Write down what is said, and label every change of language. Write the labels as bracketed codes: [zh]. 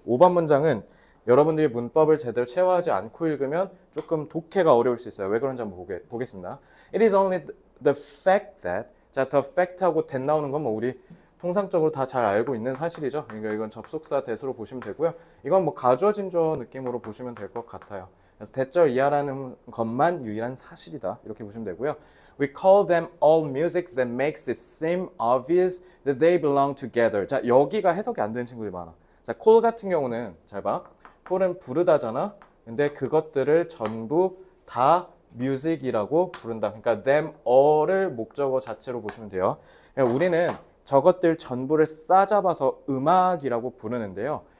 [ko] 5번 문장은 여러분들이 문법을 제대로 체화하지 않고 읽으면 조금 독해가 어려울 수 있어요. 왜 그런지 한번 보겠습니다. [en] It is only the fact that. [ko] 자, the fact하고 that 나오는 건뭐 우리 통상적으로 다잘 알고 있는 사실이죠. 그러니까 이건 접속사 that으로 보시면 되고요. 이건 뭐 가주어 진주어 느낌으로 보시면 될것 같아요. 그래서 대절 이하라는 것만 유일한 사실이다. 이렇게 보시면 되고요. [en] We call them all music that makes it seem obvious that they belong together. [ko] 자, 여기가 해석이 안 되는 친구들이 많아. 자, call 같은 경우는 잘 봐. call은 부르다잖아. 근데 그것들을 전부 다 music이라고 부른다. 그러니까 [en] them all [ko] 을 목적어 자체로 보시면 돼요. 우리는 저것들 전부를 싸잡아서 음악이라고 부르는데요.